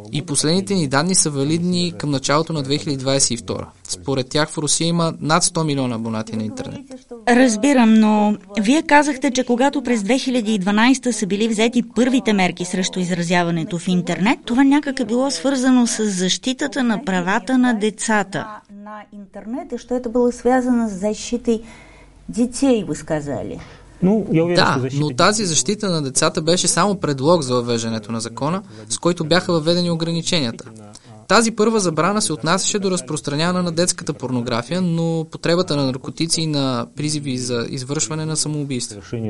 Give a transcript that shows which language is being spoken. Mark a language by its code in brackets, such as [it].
[bg] И последните ни данни са валидни към началото на 2022. Според тях в Русия има над 100 милиона абонати на интернет. Разбирам, но вие казахте, че когато през 2012 са били взети първите мерки срещу изразяването в интернет, това някак е било свързано с защитата на правата на децата. [ru] На интернет и що это было связано с защитой детей, вы сказали. [bg] Да, но тази защита на децата беше само предлог за въвеждането на закона, с който бяха въведени ограниченията. Тази първа забрана се отнасяше до разпространяване на детската порнография, но потребата на наркотици и на призиви за извършване на самоубийство.